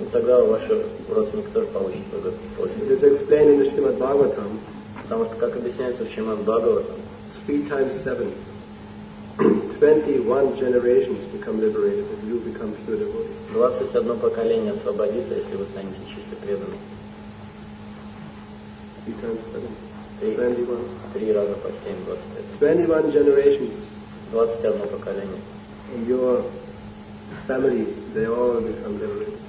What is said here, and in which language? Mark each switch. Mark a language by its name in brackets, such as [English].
[Russian] И тогда ваши родственники тоже получат благословение. [English] It is explained in the Shrimad Bhagavatam. [Russian] Потому что как объясняется в Шримад Бхагаватам. [English] 3 × 7. 21 generations become liberated if you become pure devotee. [Russian] 21 поколение освободится, если вы станете чисто преданным. [English] 3 × 7. 3 × 7 = 21. 21 generations. [Russian] 21 поколение. [English] And your family, they all become liberated.